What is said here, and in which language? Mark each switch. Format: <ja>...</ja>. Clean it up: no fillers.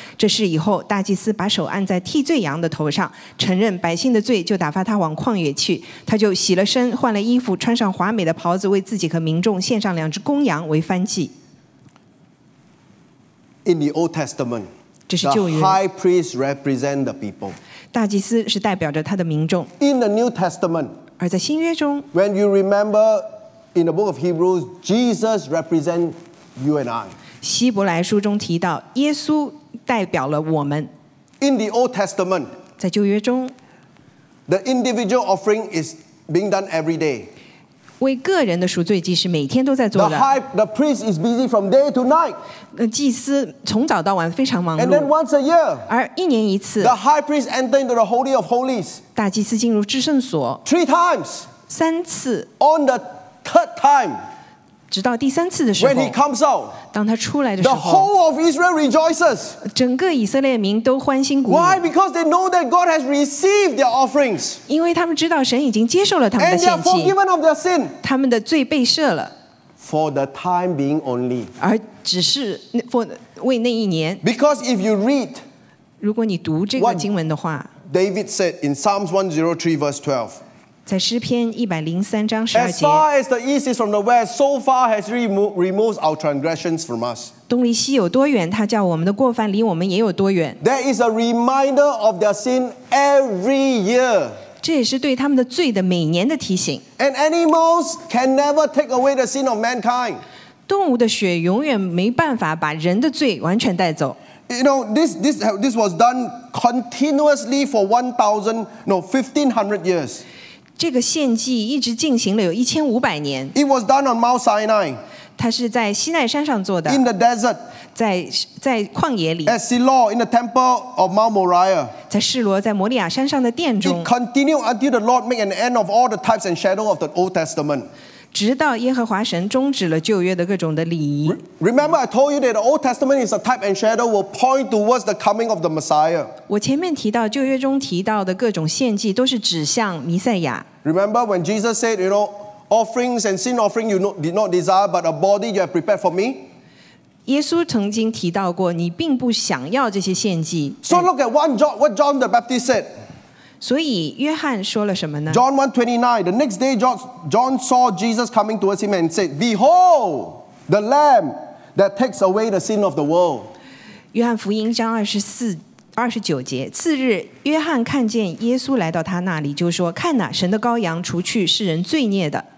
<zh>这事以后，大祭司把手按在替罪羊的头上，承认百姓的罪，就打发他往旷野去。他就洗了身，换了衣服，穿上华美的袍子，为自己和民众献上两只公羊为燔祭。</zh> <en>In the Old Testament,</en> <zh>这是旧约。</zh> <en>The high priest represents the people.</en> <zh>大祭司是代表着他的民众。</zh> <en>In the New Testament,</en> <zh>而在新约中</zh> <en>，When you remember in the book of Hebrews, Jesus represents you and I.</en> <zh>希伯来书中提到，耶稣代表了我们。</zh> <en>In the Old Testament,</en> <zh>在旧约中</zh> <en>，The individual offering is being done every day.</en> <zh>为个人的赎罪祭是每天都在做的。</zh> <en>The priest is busy from day to night.</en> <zh>祭司从早到晚非常忙碌。</zh> <en>And then once a year,</en> <zh>而一年一次。</zh> <en>The high priest enters into the holy of holies.</en> <zh>大祭司进入至圣所。</zh> <en>Three times.</en> <zh>三次。</zh> <en>On the third time,</en> <zh>直到第三次的时候。</zh> <en>When he comes out,</en> <zh>当他出来的时候。</zh> <en>The whole of Israel rejoices.</en> <zh>整个以色列民都欢欣鼓舞。</zh> <en>Why? Because they know that God has received their offerings.</en> <zh>因为他们知道神已经接受了他们的献祭。</zh> <en>And they are forgiven of their sin.</en> <zh>他们的罪被赦了。</zh> <en>For the time being only.</en> <zh>而只是 为那一年。</zh> <en>Because if you read,</en> <zh>如果你读这个经文的话。</zh> <en>David said in Psalms 103 verse 12.</en> <zh>在诗篇103章12节</zh> <en>As far as the east is from the west, so far has he removed our transgressions from us.</en> <zh>东离西有多远，他叫我们的过犯离我们也有多远。</zh> <en>There is a reminder of their sin every year.</en> <zh>这也是对他们的罪的每年的提醒。</zh> <en>And animals can never take away the sin of mankind.</en> <zh>动物的血永远没办法把人的罪完全带走。</zh> <en>You know, this was done continuously for 1500 years.</en> <zh>这个献祭一直进行了有1500年。</zh> <en>It was done on Mount Sinai.</en> <zh>它是在西奈山上做的。</zh> <en>In the desert.</en> <zh>在旷野里。</zh> <en>At Shiloh in the temple of Mount Moriah.</en> <zh>在示罗在摩利亚山上的殿中。</zh> <en>It continued until the Lord made an end of all the types and shadow of the Old Testament.</en> <zh>直到耶和华神终止了旧约的各种的礼仪。</zh> <en>Remember, I told you that the Old Testament is a type and shadow will point towards the coming of the Messiah.</en> <zh>我前面提到旧约中提到的各种献祭都是指向弥赛亚。</zh> <en>Remember when Jesus said, you know, offerings and sin offering you did not desire, but a body you have prepared for me?</en> <zh>耶稣曾经提到过，你并不想要这些献祭。</zh> <en>So look at what John the Baptist said.</en> <zh>所以约翰说了什么呢</zh> <en>John 1:29 The next day John saw Jesus coming towards him and said Behold the Lamb that takes away the sin of the world</en> <zh>约翰福音章29节次日约翰看见耶稣来到他那里就说看哪神的羔羊除去世人罪孽的</zh>